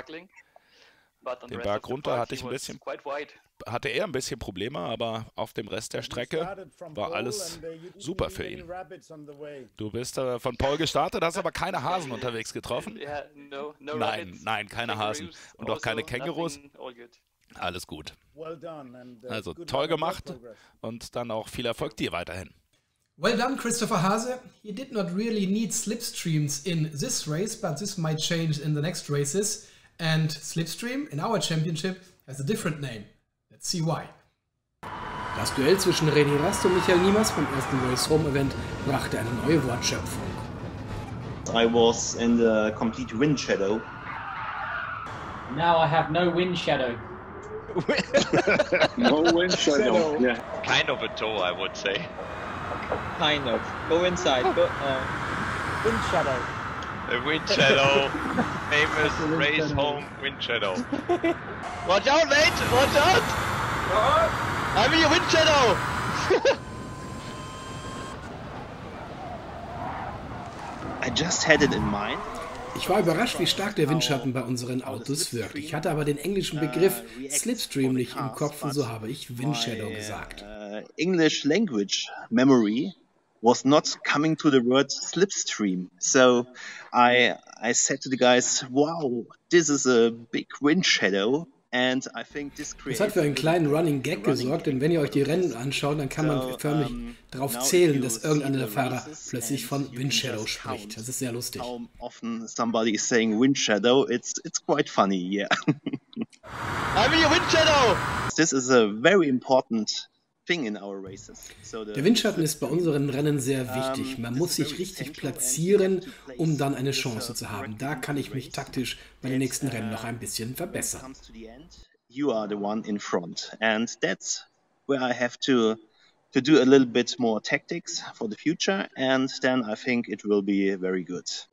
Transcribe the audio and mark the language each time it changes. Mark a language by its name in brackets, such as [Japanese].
[German] Den Berg runter hatte er ein bisschen Probleme, aber auf dem Rest der Strecke war alles super für ihn. Du bist von Pole gestartet, hast aber keine Hasen unterwegs getroffen. Nein, nein, keine Hasen und auch keine Kängurus. Alles gut. Also toll gemacht und dann auch viel Erfolg dir weiterhin. [English] Well done, Christopher Hase. He did not really need slipstreams in this race, but this might change in the next races. And slipstream in our championship has a different name. Let's see why. [German] Das Duell zwischen René Rast und Michael Niemers vom ersten Race Home Event brachte eine neue Wortschöpfung. [English] I was in the complete wind shadow. Now I have no wind shadow. No wind shadow. Yeah. Kind of a toe, I would say. Kind of. Go inside. Go, wind shadow. The wind shadow. Famous wind race shadow. Home wind shadow. Watch out, mate! Watch out! What? I'm your wind shadow! I just had it in mind. [German] Ich war überrascht, wie stark der Windschatten bei unseren Autos wirkt. Ich hatte aber den englischen Begriff slipstream nicht im Kopf und so habe ich Windshadow gesagt. [English] English language memory was not coming to the word slipstream. So I said to the guys, wow, this is a big windshadow. And I think this creates. [German] Es hat für einen kleinen Running Gag gesorgt, denn wenn ihr euch die Rennen anschaut, dann kann man förmlich darauf zählen, dass irgendeiner der Fahrer plötzlich von Windshadow spricht. Das ist sehr lustig. [English] How often somebody is saying Windshadow, it's quite funny, yeah. I'm your Windshadow! This is a very important thing in our races. So [German] der Windschatten ist bei unseren Rennen sehr wichtig. Man muss sich richtig platzieren, um dann eine Chance zu haben. Da kann ich mich taktisch bei den nächsten Rennen noch ein bisschen verbessern. [English] You are the one in front. And that's where I have to do a little bit more tactics for the future. And then I think it will be very good.